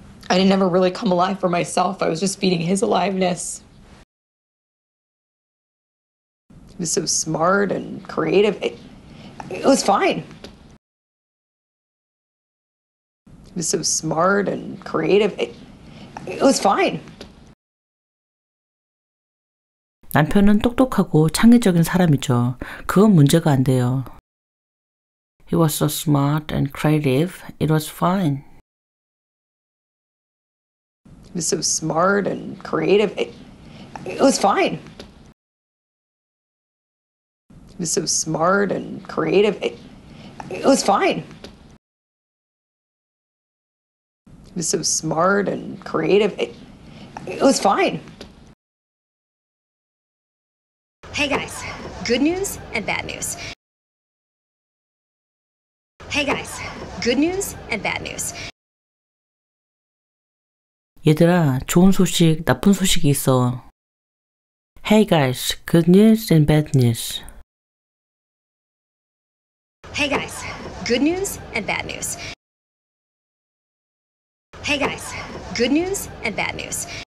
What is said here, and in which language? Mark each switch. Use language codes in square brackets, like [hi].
[en] I didn't ever really come alive for myself. I was just feeding his aliveness. He was so smart and creative. It was fine. He was so smart and creative. It was fine. [ko] 남편은 똑똑하고 창의적인 사람이죠. 그건 문제가 안 돼요. [en] He was so smart and creative. It was fine. He was so smart and creative. It was fine. He was so smart and creative. It was fine. He was so smart and creative. It was fine. Hey guys, good news and bad news. Hey guys, good news and bad news. [ko] 얘들아, 좋은 소식, 나쁜 소식이 있어. [en] Hey guys, good news and bad news. Hey guys, good news and bad news. Hey guys, good news and bad news.